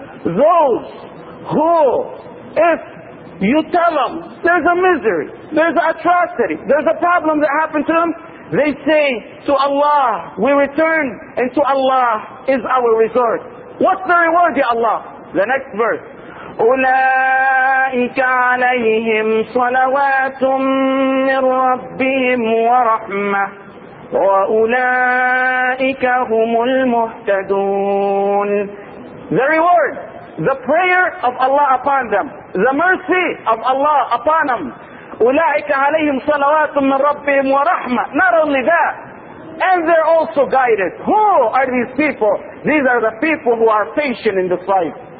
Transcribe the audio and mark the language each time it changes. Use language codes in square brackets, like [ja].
[en] Those who, if you tell them there's a misery, there's an atrocity, there's a problem that happened to them, they say to Allah, we return, and to Allah is our resort. What's the reward, Ya Allah? The next verse. [ar] أولئك عليهم صلوات من ربهم ورحمة وأولئك هم المهتدون. [en] The reward, the prayer of Allah upon them, the mercy of Allah upon them. [ar] أولئك عليهم صلوات من ربهم ورحمة. [en] Not only that, and they're also guided. Who are these people? These are the people who are patient in this life.